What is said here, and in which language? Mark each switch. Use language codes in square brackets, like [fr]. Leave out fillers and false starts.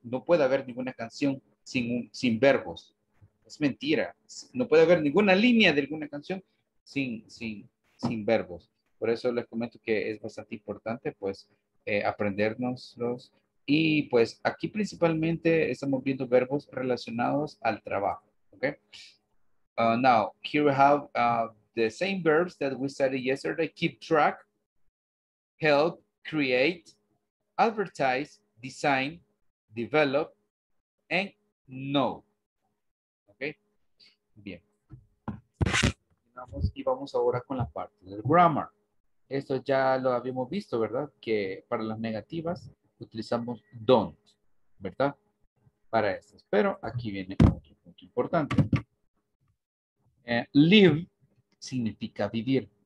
[es] No puede haber ninguna canción sin verbos. Es mentira. No puede haber ninguna línea de alguna canción sin verbos. Por eso les comento que es bastante importante, pues, aprendérnoslos. Y, pues, aquí principalmente estamos viendo verbos relacionados al trabajo, ¿ok? [en] Now, here we have the same verbs that we studied yesterday. Keep track, help, create, advertise, design, develop, and know. Okay? Bien. [es] Y vamos ahora con la parte del grammar. Esto ya lo habíamos visto, ¿verdad? Que para las negativas utilizamos don't, ¿verdad? Para estas. Pero aquí viene otro punto importante. Live significa vivir.